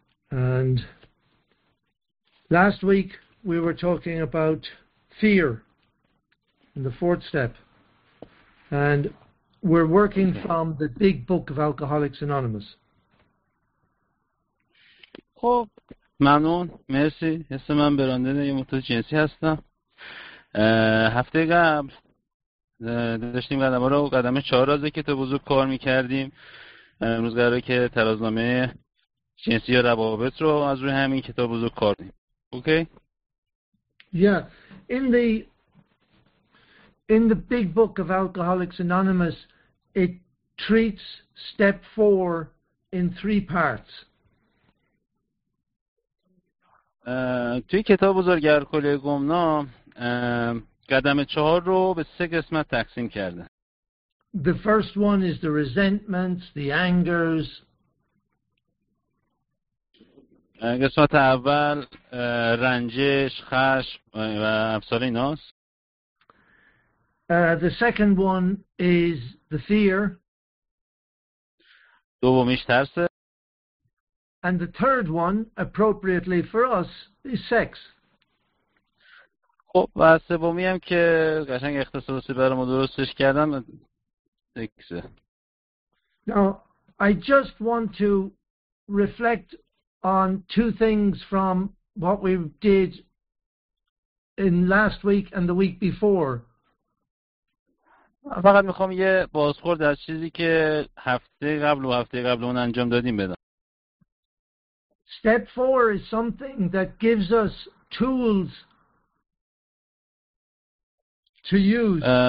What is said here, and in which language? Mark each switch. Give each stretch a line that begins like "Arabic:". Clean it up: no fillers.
English: And last week we were talking about fear and the fourth step. And we're working from the big book of Alcoholics Anonymous.
Persian: Oh. ممنون، مرسی. اسم من براندن، یه متوج جنسی هستم. هفته قبل داشتیم قدم 4 را ذکر تو بزرگ کار میکردیم. امروز قراره که ترازنامه جنسی و روابط رو از روی همین کتاب بزرگ کار کنیم. اوکی؟
English: Yeah. In the big book of Alcoholics Anonymous, it treats step 4 in 3 parts.
Persian: توی کتاب بزرگ الکلی گمنام قدم 4 رو به 3 قسمت تقسیم کرده.
English: The first one is the resentments, the angers.
Persian: قسمت اول رنجش، خشم و افسار ایناست.
English: The second one is the fear.
Persian: دومیش ترسه.
English: And the third one, appropriately for us, is sex.
Persian: خب و سومی هم که قشنگ اختصاصی برام درستش کردم، سکس.
English: Now, I just want to reflect on 2 things from what we did in last week and the week before.
Persian: فقط میخوام یه بازخورد از چیزی که هفته قبل اون انجام دادیم بدم.
English: Step 4 is something that gives us tools to use.